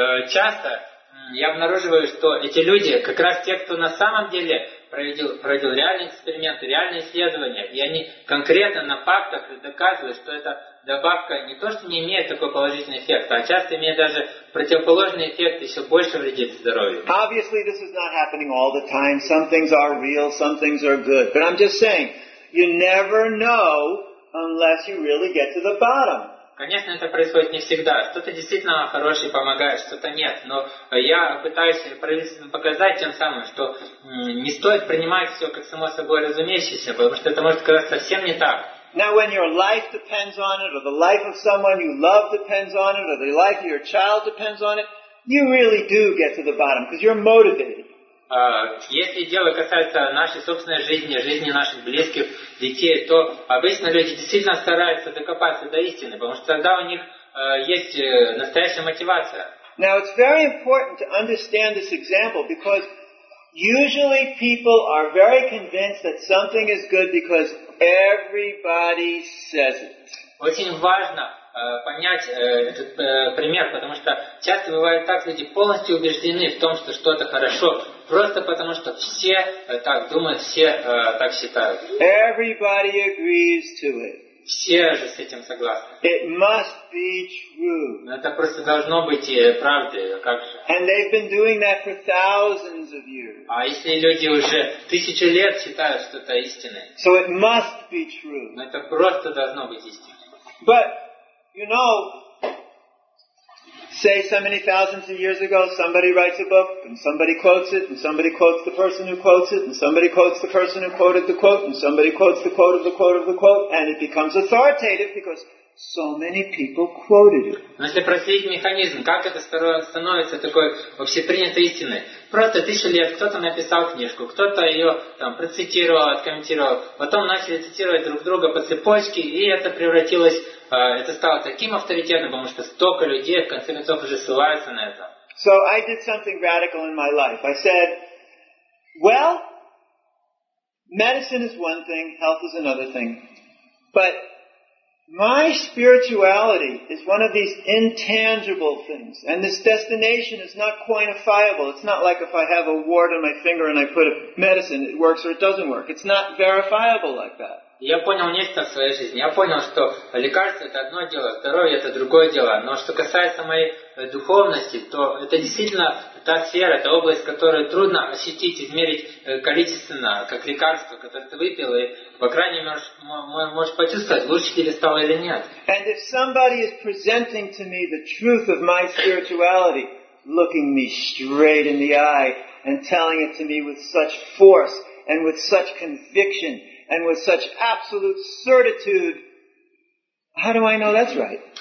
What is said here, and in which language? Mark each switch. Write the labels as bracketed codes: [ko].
[ru] Часто я обнаруживаю, что эти люди как раз те, кто на самом деле проводил реальные эксперименты, реальные исследования, и они конкретно на фактах доказывают, что это добавка не то, что не имеет такой положительный эффект, а часто имеет даже противоположный эффект и все больше вредит здоровью. [en] Obviously, this is not happening all the time. Some things are real, some things are good. But I'm just saying, you never know unless you really get to the bottom. [ru] Конечно, это происходит не всегда. Что-то действительно хорошее помогает, что-то нет. Но я пытаюсь правительственно показать тем самым, что не стоит принимать все как само собой разумеющееся, потому что это может оказаться совсем не так. [en] Now, when your life depends on it, or the life of someone you love depends on it, or the life of your child depends on it, you really do get to the bottom, because you're motivated. [ru] Если дело касается нашей собственной жизни, жизни наших близких, детей, то обычно люди действительно стараются докопаться до истины, потому что тогда у них есть настоящая мотивация. [en] Now, it's very important to understand this example, because usually people are very convinced that something is good because everybody says it. [ru] Очень важно понять этот пример, потому что часто бывает так, люди полностью убеждены в том, что что-то хорошо, просто потому что все так думают, все так считают. [en] Everybody agrees to it. [ru] Все же с этим согласны. [en] It must be true. [ru] Это просто должно быть правдой, как же. [en] And they've been doing that for thousands of years. [ru] А если люди уже тысячи лет считают, что это истиной? [en] So it must be true. [ru] Это просто должно быть истиной. [en] But, you know, say so many thousands of years ago, somebody writes a book, and somebody quotes it, and somebody quotes the person who quotes it, and somebody quotes the person who quoted the quote, and somebody quotes the quote of the quote of the quote, and it becomes authoritative because so many people quoted it. [ru] Но если проследить механизм, как это становится такой общепринятой истиной? Просто тысячу лет кто-то написал книжку, кто-то ее там процитировал, откомментировал, потом начали цитировать друг друга по цепочке, и это превратилось, это стало таким авторитетным, потому что столько людей в конце концов уже ссылаются на это. [en] So I did something radical in my life. I said, well, medicine is one thing, health is another thing, but my spirituality is one of these intangible things, and this destination is not quantifiable. It's not like if I have a wart on my finger and I put a medicine, it works or it doesn't work. It's not verifiable like that. [ru] Я понял нечто в своей жизни. Я понял, что лекарство — это одно дело, здоровье — это другое дело. Но что касается моей духовности, то это действительно та сфера, та область, которую трудно ощутить, измерить количественно, как лекарство, которое ты выпил, и, по крайней мере, можешь почувствовать, лучше тебе стало или нет. [en] And if somebody is presenting to me the truth of my spirituality, looking me straight in the eye and telling it to me with such force and with such conviction, and with such absolute certitude, how do I know that's right?